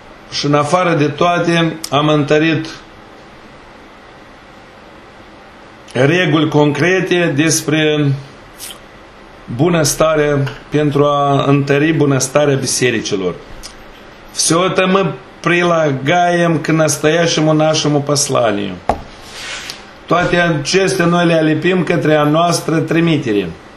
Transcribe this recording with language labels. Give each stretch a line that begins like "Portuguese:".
Romanian: Și în afară de toate am întărit reguli concrete despre bunăstare pentru a întări bunăstarea bisericilor.
Russian: Все это мы прилагаем к настоящему нашему посланию.
Romanian: Toate acestea noi le alipim către a noastră trimitere.